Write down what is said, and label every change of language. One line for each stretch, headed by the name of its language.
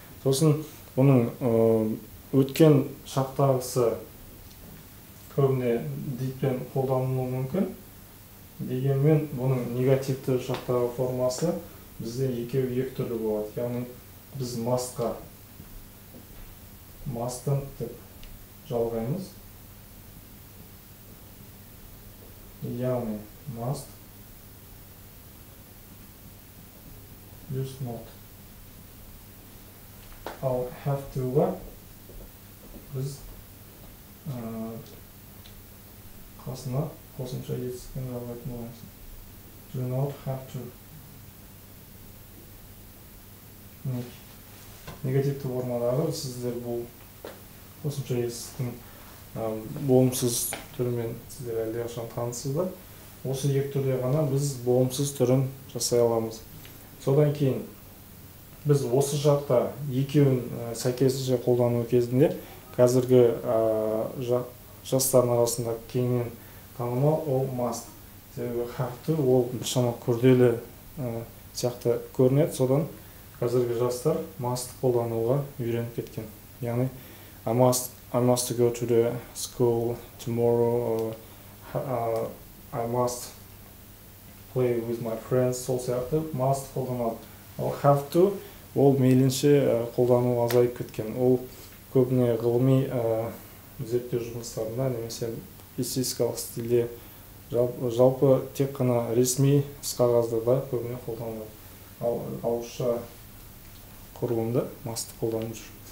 Kazakh: Сосын оның өткен шақтағысы көбіне дейтпен қолданылуы мүмкін. Дегенмен бұның негативті шақтағы формасы бізде екі түрлі болады. Яғни біз must-қа must-ын деп жалғаймыз. Яғни
English: must just not. I'll have to what?
Kazakh: Біз қасына қосымша етістікпен жалғайтын боламыз.
English: Do not have to.
Kazakh: Негативті формадағы сіздер бұл қосымша етістіктің болымсыз түрімен сіздер әлдеқашан танысыздар. Осы екі түрде ғана біз болымсыз түрін жасай аламыз. Содан кейін біз осы жақта екеуін сәйкесінше қолдану кезінде қазіргі жастардың арасында кеңінен танымал ол must. Себебі have to ол біршама күрделі сияқты көрінеді. Содан қазіргі жастар must қолдануға үйреніп кеткен. Яғни
English: I must to go to the school tomorrow, or I must play with my friends,
Kazakh: сол сияқты must қолданады. Ол have to ол мейлінше қолдану азайып кеткен. Ол көбіне ғылыми зерттеу жұмыстарында немесе эссеистикалық стилде жалпы тек қана ресми іс қағаздарда көбіне қолданылады. Ал ауызша құрылымда must қолданып жүр.